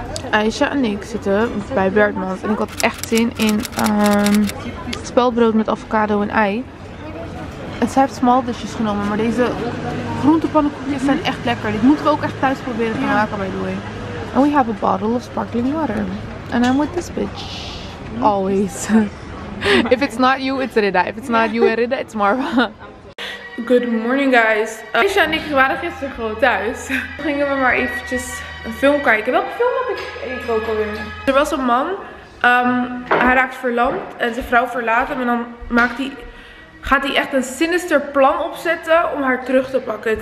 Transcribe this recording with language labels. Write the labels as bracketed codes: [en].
[nl] IJsa en ik zitten bij Bertmans en ik had echt zin in speldbrood met avocado en ei. En zij heeft [en] small dishes [nl] genomen, maar deze groentepannenkoekjes zijn echt lekker. Dit moeten we ook echt thuis proberen te maken, [en] by the way. And we have a bottle of sparkling water. And I'm with this bitch. Always. If it's not you, it's Ridda. If it's not you and Ridda, it's Marva. Good morning, guys. [nl] IJsa en ik waren gisteren gewoon thuis. Gingen we maar eventjes een film kijken. Welke film had ik ook alweer? Er was een man, hij raakt verlamd en zijn vrouw verlaat hem. En dan gaat hij echt een sinister plan opzetten om haar terug te pakken.